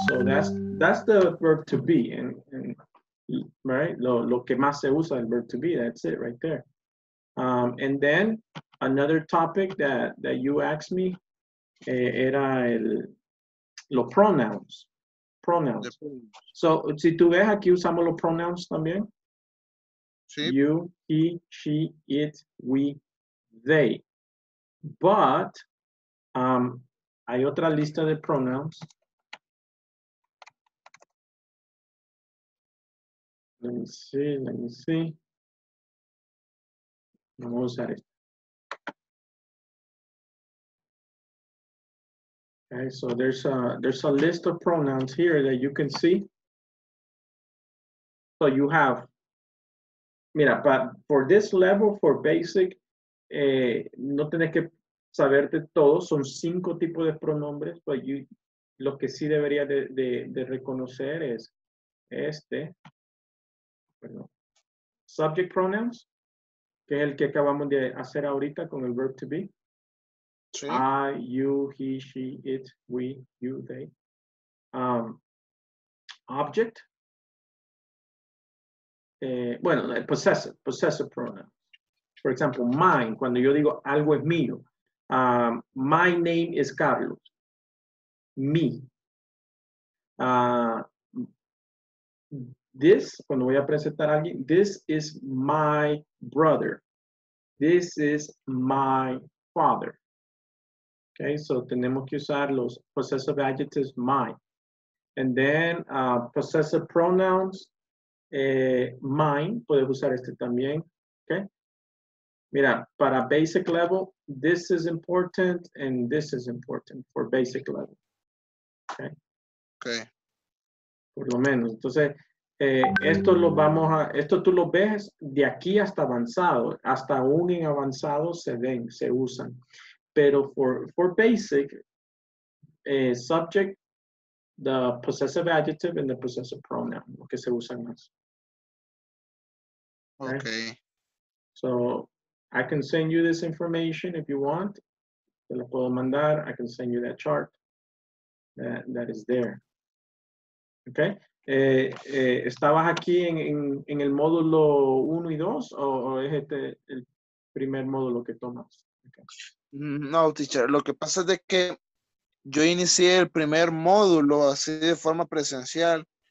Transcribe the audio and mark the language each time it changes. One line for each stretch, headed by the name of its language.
English: So that's the verb to be. And right?
Spanish: Lo que más se usa el
English: verb to be. That's it right there. And then another topic that you asked me
Spanish: era los
English: pronouns. Pronouns.
Spanish: So, si tú ves aquí usamos los pronouns también.
English: Sí. You, he, she, it, we, they.
Spanish: But hay otra lista de pronouns.
English: Let me see.
Spanish: Vamos a usar esto.
English: Okay, so there's a list of pronouns here that you can see. So you have, mira, but for this level, for basic,
Spanish: no tenés que saberte todo. Son cinco tipos de pronombres,
English: but you,
Spanish: lo que sí debería de reconocer es este. Perdón. Subject pronouns, que es el que acabamos de hacer ahorita con el verb to be. Sí.
English: I, you, he, she, it, we, you, they. Object. Bueno, possessive pronoun. For example,
Spanish: mine, cuando yo digo algo es mío.
English: My name is Carlos. Me.
Spanish: This, cuando voy a presentar a alguien,
English: this is my brother. This is my father. Okay, so
Spanish: tenemos que usar los
English: possessive adjectives, my. And then possessive pronouns, mine,
Spanish: puedes usar este también.
English: Okay.
Spanish: Mira, para
English: basic level, this is important and this is important for basic level. Okay. Okay.
Spanish: Por lo menos. Entonces, esto lo vamos a, esto tú lo ves de aquí hasta avanzado, hasta aún en avanzado se ven, se usan.
English: Pero for basic, subject, the possessive adjective and the possessive pronoun,
Spanish: lo que se usan más.
English: Okay. So, I can send you this information if you want.
Spanish: Te lo puedo mandar.
English: I can send you that chart that is there. Okay.
Spanish: ¿Estabas aquí en el módulo 1 y 2 o es este el primer módulo que tomas?
English: Okay.
Spanish: No, teacher, lo que pasa es de que yo inicié el primer módulo así de forma presencial.